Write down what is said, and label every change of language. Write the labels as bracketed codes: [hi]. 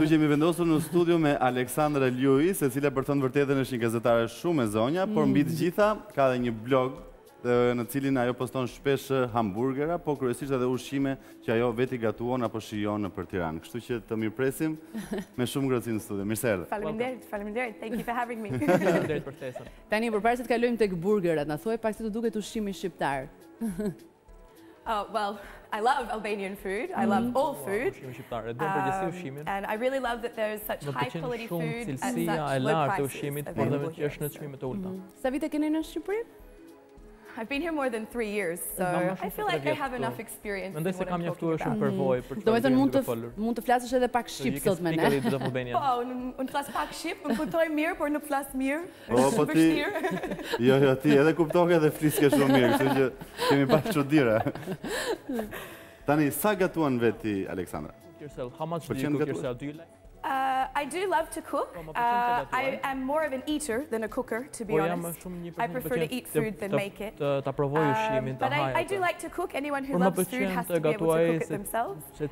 [sq] Kështu që jemi vendosur në studio me Aleksandra Lewis, e cila për të thënë vërtetën është një gazetare shumë e zonja, por mbi të gjitha ka edhe një blog në cilin ajo poston shpesh hamburgera, po kryesisht edhe ushqime që ajo veti gatuan apo shijon nëpër Tiranë. Kështu që të mirpresim me shumë gëlsi në studio. Mirëserdhe. Faleminderit, faleminderit. [en] Thank you for having me. [sq] Faleminderit për ftesën. Tani përpara se të kalojmë tek burgerat, na thuaj pak si të duket ushqimi shqiptar. [en] Oh, well, I love Albanian food. I love all food. And I really love that there is such high quality food and such low prices available here. [sq] Është në çmime të ulta. Sa vite keni në Shqipëri? [en] I've been here more than 3 years, so I feel like I have enough experience. [sq] Mendoj se kam mjaftuar shumë përvojë për të. Domethënë mund të flasësh edhe pak shqip sot me ne. Po, unë flas pak shqip, më kuptoj mirë, por nuk flas mirë. Po, po ti. Jo, jo, ti edhe kuptove edhe fliske shumë mirë, kështu që kemi pak çuditëra. Tani sa gatuan veti Aleksandra? [en] Yourself, how much do you cook yourself? Do you like? I do love to cook. I am more of an eater than a cooker, to be honest. I prefer to eat food than make it. But I do like to cook. Anyone who loves food has to be able to cook it themselves.